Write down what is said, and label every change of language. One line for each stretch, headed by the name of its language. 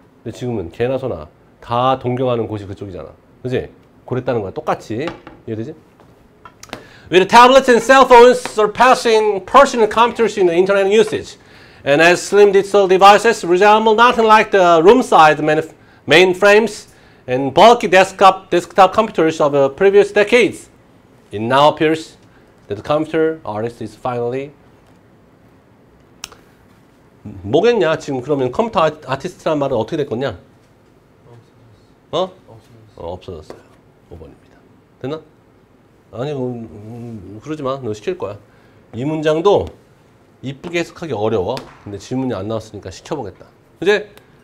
Korean: 근데 지금은 개나 소나 다 동경하는 곳이 그쪽이잖아. 그치? 그랬다는 거야. 똑같이. 이해되지?
English: With tablets and cell phones surpassing personal computers in the internet usage, and as slim digital devices resemble nothing like the room-sized mainframes and bulky desktop computers of previous decades, it now appears that the computer artist is finally
Korean: 뭐겠냐? 지금 그러면 컴퓨터 아티스트란 말은 어떻게 됐겠냐? 없어졌어요. 5번입니다. 됐나? 아니, 그러지 마. 너 시킬 거야. 이 문장도 이쁘게 해석하기 어려워. 근데 질문이 안 나왔으니까 시켜보겠다. 그제?